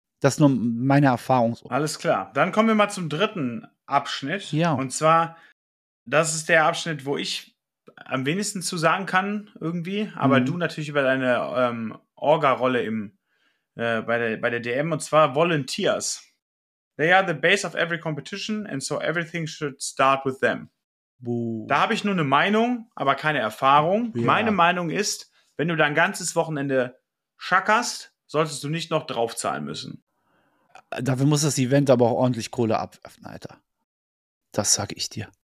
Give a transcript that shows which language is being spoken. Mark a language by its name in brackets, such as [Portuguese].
[German] Das ist nur meine Erfahrung. Alles klar. Dann kommen wir mal zum dritten Abschnitt. Ja. Und zwar, das ist der Abschnitt, wo ich am wenigsten zu sagen kann, irgendwie. Aber du natürlich über deine Orga-Rolle bei der DM. Und zwar Volunteers. [English] They are the base of every competition and so everything should start with them. [German] Da habe ich nur eine Meinung, aber keine Erfahrung. Ja. Meine Meinung ist, wenn du dein ganzes Wochenende schackerst, solltest du nicht noch draufzahlen müssen. Dafür muss das Event aber auch ordentlich Kohle abwerfen, Alter. Das sag ich dir.